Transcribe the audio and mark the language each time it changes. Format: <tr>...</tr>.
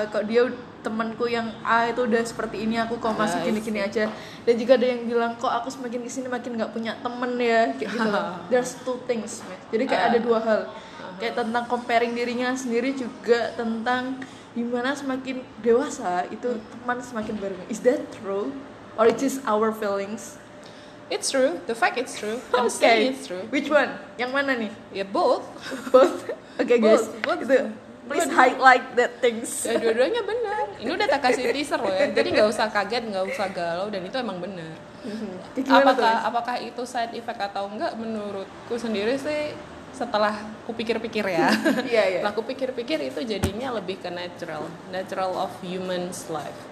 <id>dia temanku yang A itu udah seperti ini aku kok masih gini-gini aja dan juga ada yang bilang kok aku semakin kesini makin nggak punya temen ya kayak gitu</id> <en>there's two things</en> <id>jadi kayak ada dua hal kayak tentang comparing dirinya sendiri juga tentang gimana semakin dewasa itu teman semakin berbeda.</id> <en>Is that true or it is our feelings? It's true, the fact it's true. Okay. I'm saying it's true. Which one?</en> <id>Yang mana nih?</id> <en>Yeah, both. Both. Okay, guys. Both. Please highlight that things.</en> <id>Ya, dua-duanya benar. Ini udah tak kasih teaser loh ya. Jadi nggak usah kaget, nggak usah galau, dan itu emang benar. Apakah itu side effect atau enggak? Menurutku sendiri sih, setelah kupikir-pikir ya. Yeah. Lah kupikir-pikir itu jadinya lebih ke</id> <en>natural of human's life.</en>